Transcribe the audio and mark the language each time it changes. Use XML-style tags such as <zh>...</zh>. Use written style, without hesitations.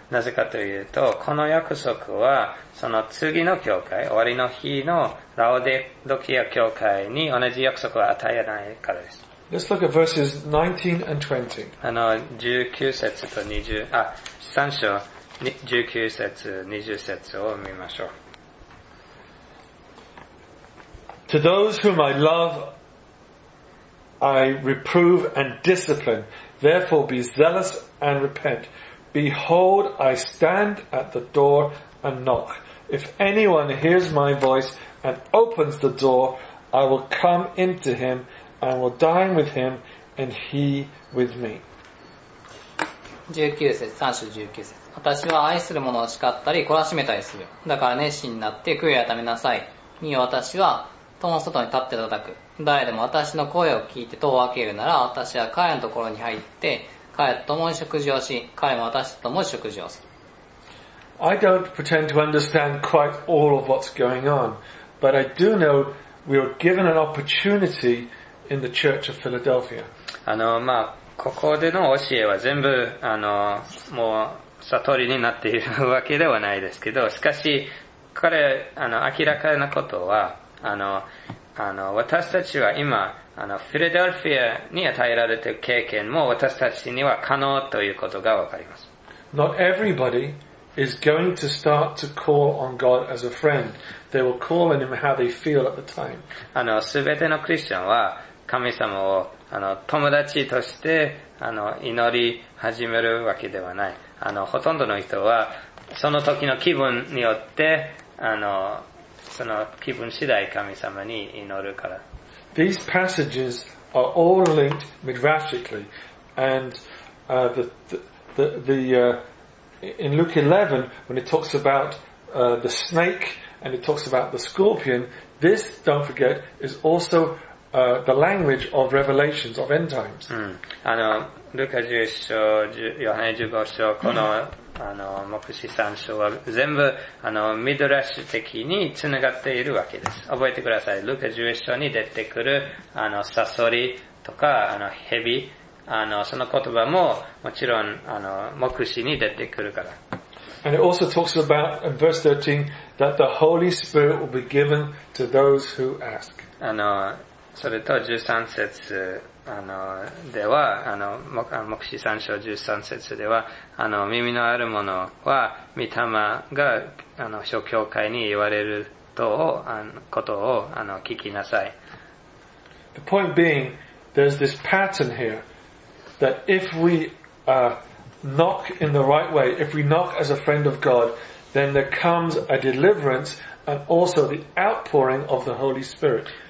<ja>なぜかというと、この約束は、その次の教会、終わりの日のラオデドキア教会に同じ約束を与えないからです。</ja> <en>Let's look at verses 19 and 20.</en> <ja>あの、19節と20、あ、3章、19節、20節を見ましょう。</ja> <en>To those whom I love,I reprove and discipline. Therefore be zealous and repent. Behold, I stand at the door and knock. If anyone hears my voice and opens the door, I will come into him and will dine with him and he with me.</en> <ja>19節、3章19節。私は愛する者を叱ったり懲らしめたりする。だから熱心になって悔い改めなさい。見よ、私は戸の外に立って叩く。誰でも私の声を聞いて戸を開けるなら、私は彼のところに入って、彼と共に食事をし、彼も私と共に食事をする。</ja> <en>I don't pretend to understand quite all of what's going on, but I do know we are given an opportunity in the Church of Philadelphia.</en> <ja>あの、まあ、ここでの教えは全部、あの、もう悟りになっているわけではないですけど、しかし、彼、あの、明らかなことは、あの、私たちは今、あの、フィラデルフィアに与えられている経験も私たちには可能ということがわかります。</ja> <en>Not everybody is going to start to call on God as a friend. They will call on Him how they feel at the time.</en> <ja>あの、すべてのクリスチャンは神様を、あの、友達として、あの、祈り始めるわけではない。あの、ほとんどの人は、その時の気分によって、その気分次第神様に祈るから。</ja> <en>These passages are all linked midrashically, and in Luke 11, when it talks about the snake and it talks about the scorpion, this, don't forget, is also the language of revelations of end times.</en> <ja>ルカ11章、ヨハネ15章、この、目視3章は全部、ミドラッシュ的に繋がっているわけです。覚えてください。ルカ11章に出てくる、サソリとか、蛇、その言葉も、もちろん、目視に出てくるから。</ja> <en>And it also talks about, in verse 13, that the Holy Spirit will be given to those who ask.</en> <ja>それと13節、では、目視3章13節では、耳のある者は、御霊が、諸教会に言われる、ことを、聞きなさい。</ja> <en>The point being, there's this pattern here, that if we, knock in the right way, if we knock as a friend of God, then there comes a deliverance and also the outpouring of the Holy Spirit.</en>